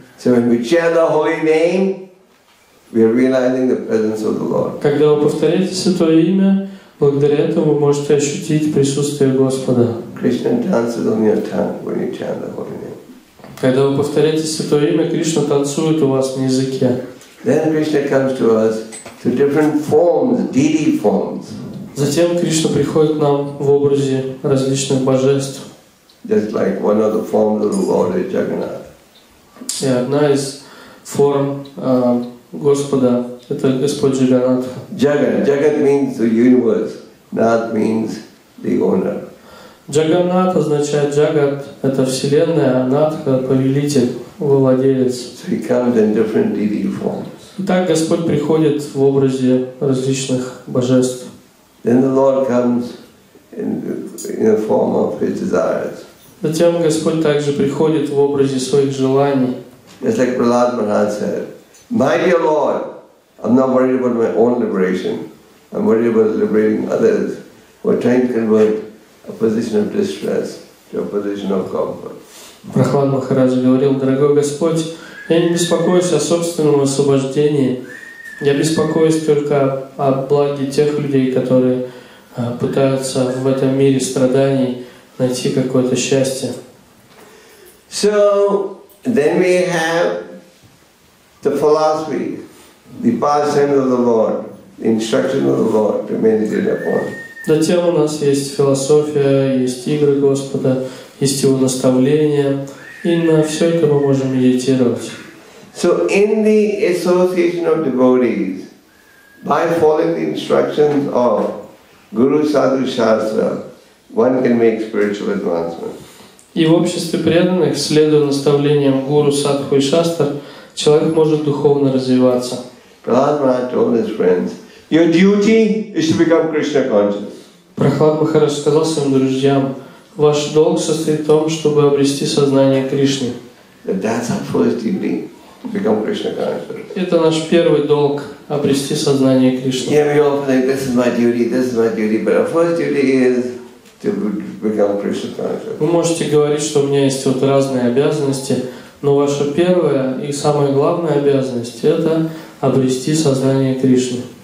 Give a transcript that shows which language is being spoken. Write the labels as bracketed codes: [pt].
[en] So when we chant the holy name, we are realizing the presence of the Lord. [ru] Когда вы повторяете святое имя, благодаря этому вы можете ощутить присутствие Господа. [en] Krishna dances on your tongue when you chant the holy name. [ru] Когда вы повторяете святое имя, Кришна танцует у вас на языке. [en] Then Krishna comes to us to different forms, deity forms. [ru] Затем Кришна приходит к нам в образе различных божеств. [en] Just like one of the forms of the Lord is Jagannath. [ru] И одна из форм Господа — это Господь Джаганнат. [en] Jagat means the universe, Nath means the owner. [ru] Джаганнат означает Джагат, это вселенная, а Натха – повелитель, владелец. [en] So he comes in different deity forms. [ru] Итак, Господь приходит в образе различных божеств. [en] Then the Lord comes in the form of His desires. [ru] Затем Господь также приходит в образе своих желаний. [en] It's like Prahlad Maharaj said, "My dear Lord, I'm not worried about my own liberation. I'm worried about liberating others who are trying to convert a position of distress to a position of comfort." [ru] Прахлад Махарадж говорил: "Дорогой Господь, я не беспокоюсь о собственном освобождении. Я беспокоюсь только о благе тех людей, которые пытаются в этом мире страданий найти какое-то счастье." [en] So then we have the philosophy, the pastime of the Lord, the instruction of the Lord to meditate upon. [ru] Затем у нас есть философия, есть игры Господа, есть Его наставления, и на все это мы можем медитировать. [en] So in the association of devotees, by following the instructions of Guru Sadhu Shastra, one can make spiritual advancement. [ru] И в обществе преданных, следуя наставлениям Гуру Садху и Шастр, человек может духовно развиваться. [en] Prahlad Maharaj told his friends, "Your duty is to become Krishna conscious." [ru] Прахлад Махарадж сказал своим друзьям: "Ваш долг состоит в том, чтобы обрести сознание Кришны." [en] That's our first duty. Become Krishna conscious. [ru] Это наш первый долг — обрести сознание Кришны. [en] Yeah, we often think this is my duty, this is my duty, but our first duty is to become Krishna conscious. [ru] Вы можете говорить, что у меня есть вот разные обязанности, но ваша первая и самая главная обязанность — это обрести сознание Кришны.